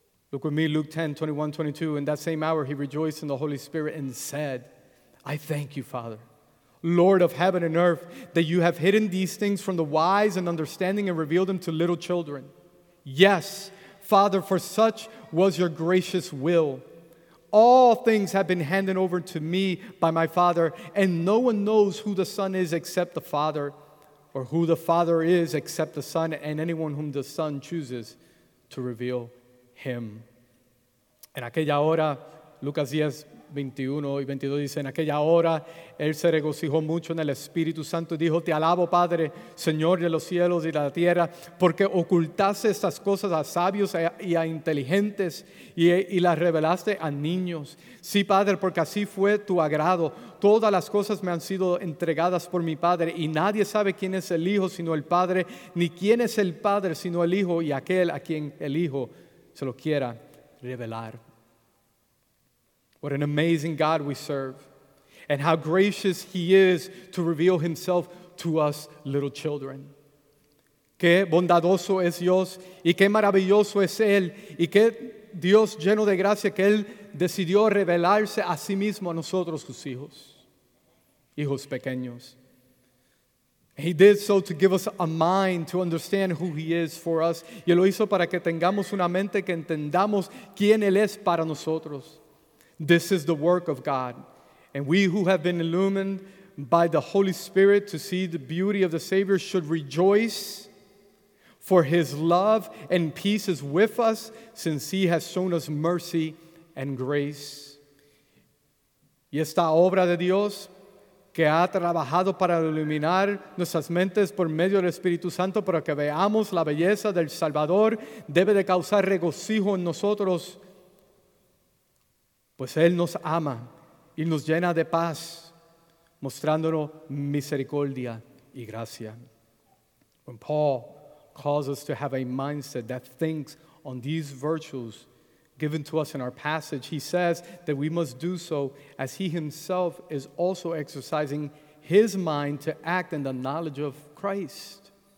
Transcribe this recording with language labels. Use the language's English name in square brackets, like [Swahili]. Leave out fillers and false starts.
[English] Look with me, Luke 10, 21, 22. In that same hour he rejoiced in the Holy Spirit and said, I thank you, Father, Lord of heaven and earth, that you have hidden these things from the wise and understanding and revealed them to little children. Yes, Father, for such was your gracious will. All things have been handed over to me by my Father, and no one knows who the Son is except the Father, or who the Father is except the Son, and anyone whom the Son chooses to reveal him. [Spanish] En aquella hora, Lucas 10, 21 y 22 dice, en aquella hora, él se regocijó mucho en el Espíritu Santo y dijo, te alabo, Padre, Señor de los cielos y de la tierra, porque ocultaste estas cosas a sabios y a inteligentes y las revelaste a niños. Sí, Padre, porque así fue tu agrado. Todas las cosas me han sido entregadas por mi Padre y nadie sabe quién es el Hijo sino el Padre, ni quién es el Padre sino el Hijo y aquel a quien el Hijo se lo quiera revelar. [English] What an amazing God we serve, and how gracious he is to reveal himself to us little children. [Spanish] Qué bondadoso es Dios, y qué maravilloso es él, y qué Dios lleno de gracia que él decidió revelarse a sí mismo a nosotros sus hijos, hijos pequeños. [English] He did so to give us a mind to understand who he is for us. [Spanish] Y lo hizo para que tengamos una mente que entendamos quién él es para nosotros. [English] This is the work of God. And we who have been illumined by the Holy Spirit to see the beauty of the Savior should rejoice, for his love and peace is with us, since he has shown us mercy and grace. [Spanish] Y esta obra de Dios que ha trabajado para iluminar nuestras mentes por medio del Espíritu Santo para que veamos la belleza del Salvador debe de causar regocijo en nosotros, pues él nos ama y nos llena de paz, mostrándonos misericordia y gracia. [English] When Paul calls us to have a mindset that thinks on these virtues given to us in our passage, he says that we must do so as he himself is also exercising his mind to act in the knowledge of Christ.